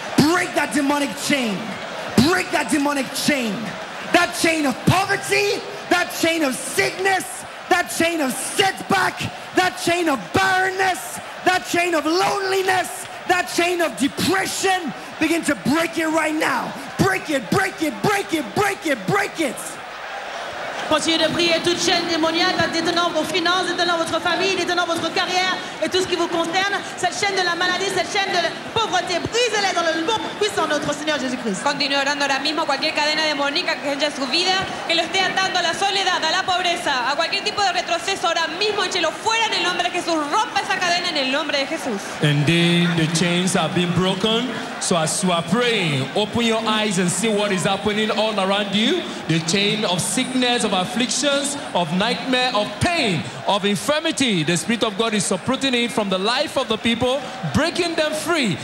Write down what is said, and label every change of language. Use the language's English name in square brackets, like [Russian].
[English] Break that demonic chain. Break that demonic chain. That chain of poverty, that chain of sickness, that chain of setback, that chain of barrenness, that chain of loneliness, that chain of depression, begin to break it right now. Break it, break it, break it, break it, break it. [French] Continuez de prier toute chaîne démoniaque détenant vos finances, détenant votre famille, détenant votre carrière et tout ce qui vous concerne. Cette chaîne de la maladie, cette chaîne de la pauvreté, brisez-les dans le nom puissant de notre Seigneur Jésus-Christ. [Spanish] Continuez orando ahora mismo cualquier cadena demoníaca que haya en su vida, que lo esté atando a la soledad, a la pobreza, a cualquier tipo de retroceso, ahora mismo échelo fuera en el nombre de Jesús. Rompa esa cadena en el nombre de Jesús. [English] Indeed, the chains have been broken. So as you are praying, open your eyes and see what is happening all around you. The chain of sickness, of afflictions, of nightmare, of pain, of infirmity. The Spirit of God is uprooting it from the life of the people, breaking them free.